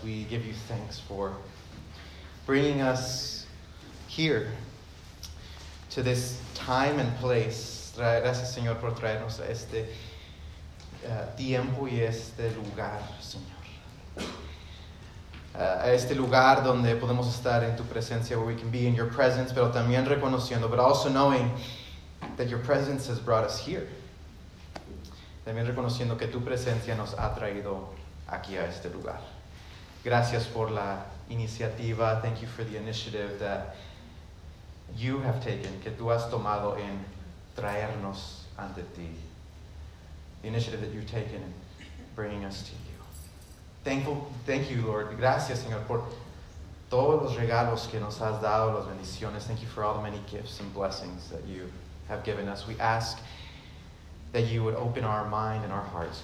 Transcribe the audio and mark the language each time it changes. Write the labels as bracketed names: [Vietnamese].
[English] We give you thanks for bringing us here to this time and place. [Spanish] Gracias, Señor, por traernos a este tiempo y este lugar, Señor. A este lugar donde podemos estar en tu presencia, [English] where we can be in your presence, [Spanish] pero también reconociendo, [English] but also knowing that your presence has brought us here. [Spanish] También reconociendo que tu presencia nos ha traído aquí a este lugar. Gracias por la iniciativa. [English] Thank you for the initiative that you have taken, [Spanish] que tú has tomado en traernos ante ti. [English] The initiative that you've taken in bringing us to you. Thank you, Lord. [Spanish] Gracias, Señor, por todos los regalos que nos has dado, las bendiciones. [English] Thank you for all the many gifts and blessings that you have given us. We ask that you would open our mind and our hearts.